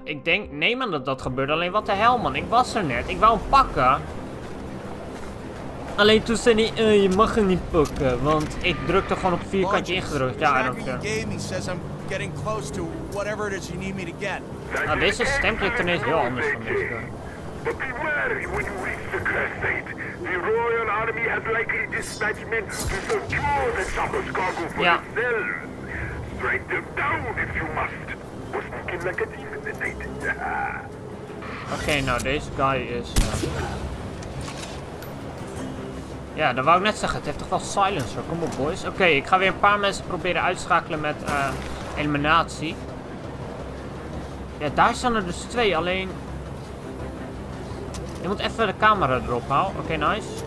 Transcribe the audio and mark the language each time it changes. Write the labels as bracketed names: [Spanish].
[Dutch] Ik denk... Nee, man, dat gebeurde. Alleen, wat de hel, man. Ik was er net. Ik wou hem pakken. Alleen toen zei hij, je mag hem niet pakken, want ik drukte gewoon op vierkantje ingedrukt. Ja, dat is er. Nou, deze stem klinkt ineens heel anders van deze guy. [English] But be wary when you reach the crest site. The Royal Army has likely dispatched men to secure the chopper's cargo for themselves. Strike them down if you must. We're sneaking like a thief in the night. [Dutch] Oké, nou, deze guy is... Ja, dat wou ik net zeggen. Het heeft toch wel silencer. Kom op, boys. Oké, ik ga weer een paar mensen proberen uitschakelen met eliminatie. Ja, daar staan er dus twee. Alleen... Je moet even de camera erop halen. Oké, nice.